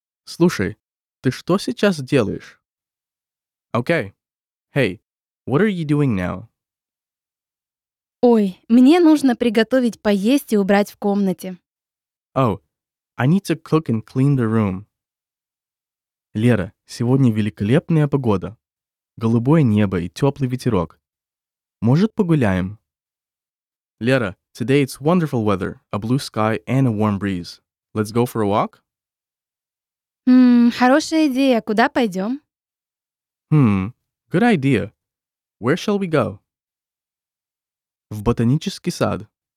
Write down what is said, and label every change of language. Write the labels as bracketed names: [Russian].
[Russian] Слушай, ты что сейчас делаешь? [English] Okay. Hey, what are you doing now? [Russian] Ой, мне нужно приготовить поесть и убрать в комнате. [English] Oh, I need to cook and clean the room. [Russian] Лера, сегодня великолепная погода. Голубое небо и теплый ветерок. Может, погуляем? [English] Лера, today it's wonderful weather, a blue sky and a warm breeze. Let's go for a walk? [Russian] Хорошая идея. Куда пойдем? [English] Good idea. Where shall we go? [Russian] В ботанический сад.